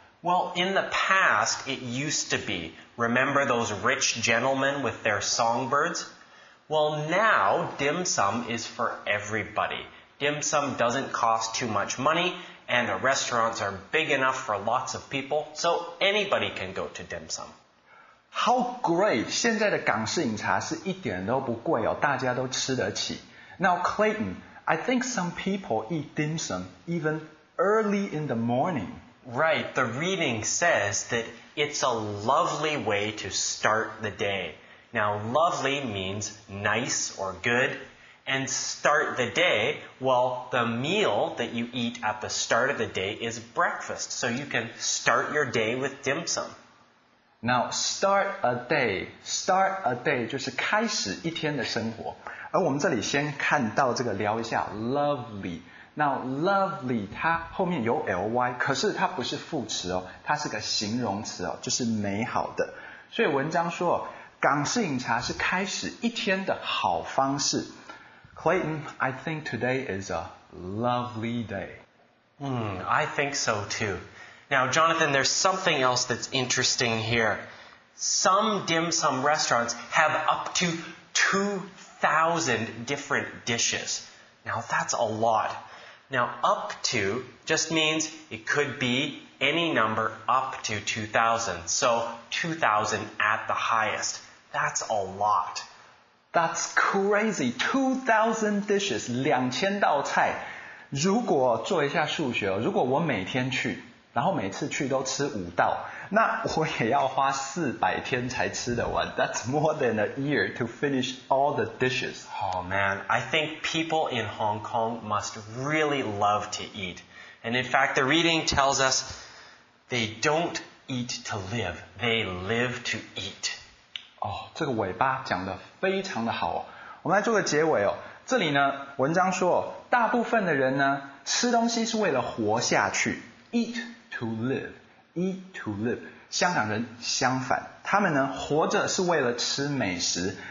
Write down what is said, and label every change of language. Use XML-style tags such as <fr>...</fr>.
<en>Well, in the past, it used to be. Remember those rich gentlemen with their songbirds? Well, now, dim sum is for everybody. Dim sum doesn't cost too much money, and the restaurants are big enough for lots of people, so anybody can go to dim sum. How great!</en> <zh>现在的港式饮茶是一点都不贵哦，大家都吃得起。</zh> <en>Now, Clayton, I think some people eat dim sum even early in the morning. Right, the reading says that it's a lovely way to start the day. Now, lovely means nice or good, and start the day, well, the meal that you eat at the start of the day is breakfast, so you can start your day with dim sum. Now, start a day</en> <zh>就是开始一天的生活。而我们这里先看到这个聊一下 lovely。 Now, lovely, 它后面有 ly, 可是它不是副词哦，它是个形容词哦，就是美好的。所以文章说，港式饮茶是开始一天的好方式。</zh> <en>Clayton, I think today is a lovely day. I think so too. Now, Jonathan, there's something else that's interesting here. Some dim sum restaurants have up to 2,000 different dishes. Now, that's a lot. Now, up to just means it could be any number up to 2,000. So, 2,000 at the highest. That's a lot. That's crazy. 2,000 dishes,</en> <zh>2,000道菜。如果做一下数学，如果我每天去，然后每次去都吃五道，那我也要花400天才吃得完。</zh> <en>That's more than a year to finish all the dishes. Oh man, I think people in Hong Kong must really love to eat. And in fact, the reading tells us they don't eat to live, they live to eat.</en> <zh>哦，这个尾巴讲得非常的好哦。我们来做个结尾哦。这里呢，文章说，大部分的人呢，吃东西是为了活下去。</zh> <en>Eat to live, eat to live.</en> <zh>香港人相反，他们呢活着是为了吃美食。</zh>